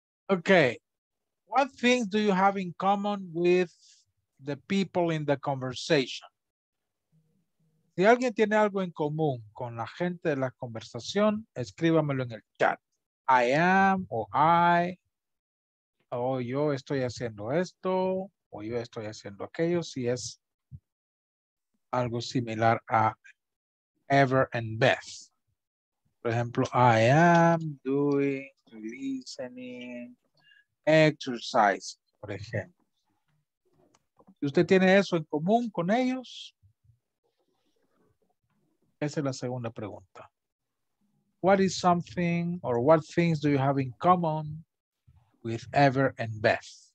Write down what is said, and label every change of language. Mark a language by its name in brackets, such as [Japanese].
[English] Okay, what things do you have in common with the people in the conversation? [Spanish] Si alguien tiene algo en común con la gente de la conversación, escríbamelo en el chat. [English] I am, [Spanish] o I, o yo estoy haciendo esto, o yo estoy haciendo aquello, si es algo similar a [English] ever, and Beth. For example, I am doing listening exercise, [Spanish] por ejemplo. Si usted tiene eso en común con ellos, esa es la segunda pregunta. [English] What is something or what things do you have in common with Ever and Beth?